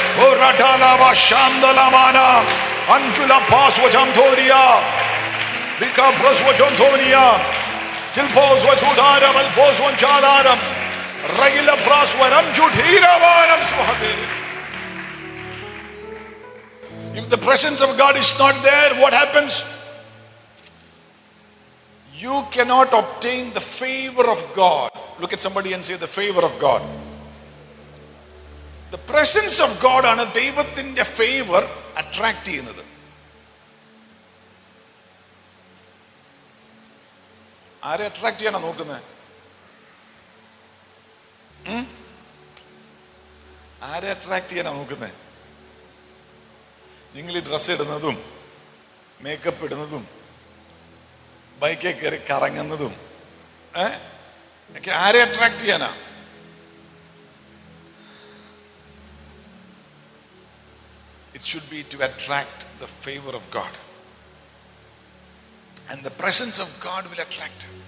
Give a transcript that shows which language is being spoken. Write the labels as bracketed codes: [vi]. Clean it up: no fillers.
[en] ഓരടാലവ ശാന്തലമാന അഞ്ചുല പാസ്വജന്തോരിയ ബികാപ്രസ്വജന്തോനിയ ജിൽപോസ്വജുദാര വൽപോസ്വജാദാരം റഗില പ്രാസ്വരം ജുധീരവാനം സ്വഹദേ. If the presence of God is not there, what happens? You cannot obtain the favor of God. Look at somebody and say, the favor of God. The presence of God [ml] ആണ് ദൈവത്തിന്റെ favour attract ചെയ്യുന്നത്. ആരെ attract ചെയ്യാനാ നോക്കുന്നത്? ആരെ attract ചെയ്യാനാ നോക്കുന്നത്? നിങ്ങൾ ഈ ഡ്രസ് ഇടുന്നതും മേക്കപ്പ് ഇടുന്നതും ബൈക്കിൽ കയറി കറങ്ങുന്നതും ഒക്കെ ആരെ അട്രാക്ട് ചെയ്യാനാ? [en] It should be to attract the favor of God, and the presence of God will attract.